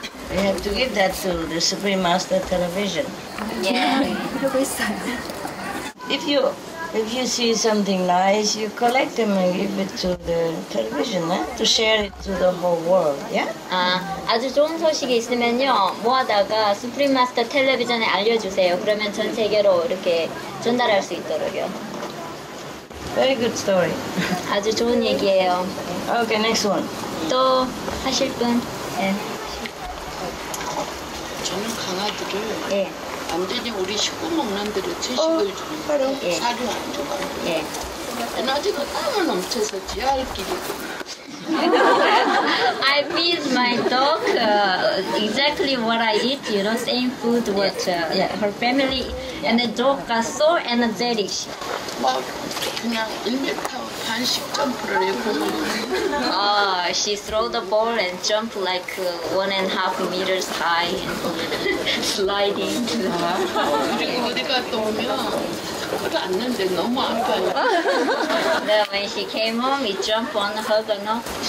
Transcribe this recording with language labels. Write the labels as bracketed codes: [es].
[en] We have to give that to the Supreme Master Television. Yeah. [ko] 그러고 있어요. [en] If you see something nice, you collect them and give it to the television, eh? To share it to the whole world, yeah? [ko] 아주 좋은 소식이 있으면요, 모아다가 Supreme Master Television에 알려주세요. 그러면 전 세계로 이렇게 전달할 수 있도록요. [en] Very good story. [ko] 아주 좋은 얘기예요. [en] Okay, next one. [ko] 또 하실 분? 예. 저는 강아지를. 예. 완전히 우리 식구 먹는 대로 채식을 주는데 예. 사료 안 줘가지고 에너지가 땀을 넘쳐서 지하할 길이 [en] I feed my dog exactly what I eat, you know, same food what her family and the dog got so energetic. [ko] 막 그냥 1m 반씩 점프를 해보고 [en] she throw the ball and jump like 1.5 meters high and sliding. [ko] 그리고 어디 갔다 오면 [en] No, when she came home, it jumped on her, you know?